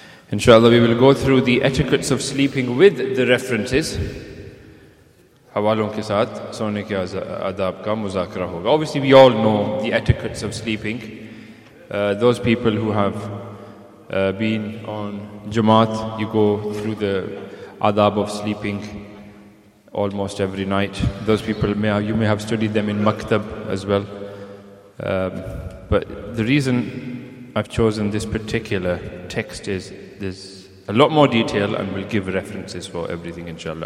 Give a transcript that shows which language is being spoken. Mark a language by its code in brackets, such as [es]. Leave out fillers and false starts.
[en] Inshallah, we will go through the etiquettes of sleeping with the references. [ur] حوالوں کے ساتھ سونے کے آداب کا مذاکرہ ہوگا. [en] Obviously, we all know the etiquettes of sleeping. Those people who have been on Jamaat, you go through the adab of sleeping almost every night. Those people, you may have studied them in Maktab as well. But the reason I've chosen this particular text is there's a lot more detail, and we'll give references for everything, inshallah.